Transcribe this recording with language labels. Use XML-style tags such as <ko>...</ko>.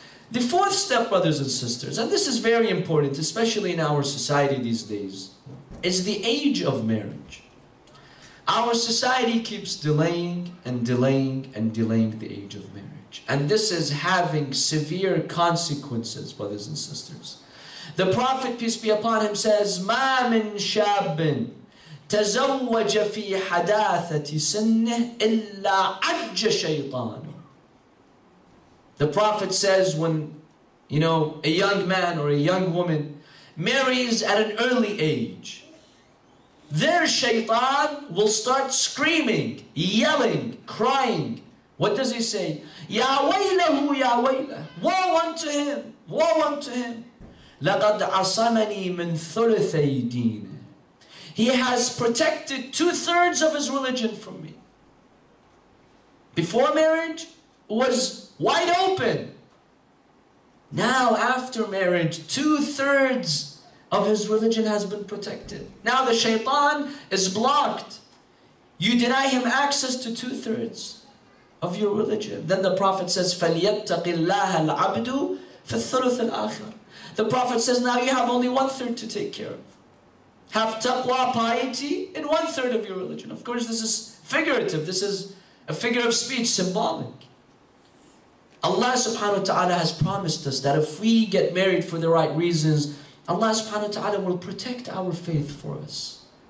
<en>The fourth step, brothers and sisters, and this is very important, especially in our society these days, is the age of marriage. Our society keeps delaying and delaying and delaying the age of marriage. And this is having severe consequences, brothers and sisters.</en> <ar>The Prophet, peace be upon him, says, مَا مِن شَابٍ تَزَوَّجَ فِي حَدَاثَةِ سِنِّهِ إِلَّا عَجَّ شَيْطَانُ.</ar> <en>The Prophet says, when, you know, a young man or a young woman marries at an early age, their shaitan will start screaming, yelling, crying. What does he say?</en> <ar>Ya waylahu ya waylahu.</ar> <en>Woe unto him. Woe unto him.</en> <ar>لَقَدْ عَصَمَنِي مِنْ ثُلُثَي دِينِ.</ar> <en>He has protected two-thirds of his religion from me. Before marriage, was wide open. Now, after marriage, two-thirds of his religion has been protected. Now the shaitan is blocked. You deny him access to two-thirds of your religion.</en> <ar>Then the Prophet says, فَلْيَتَّقِ اللَّهَ الْعَبْدُ فِي الثُّلُثِ الْآخِرِ.</ar> <en>The Prophet says, now you have only one-third to take care of. Have taqwa, piety, in one-third of your religion. Of course, this is figurative. This is a figure of speech, symbolic. Allah subhanahu wa ta'ala has promised us that if we get married for the right reasons, Allah subhanahu wa ta'ala will protect our faith for us.</en>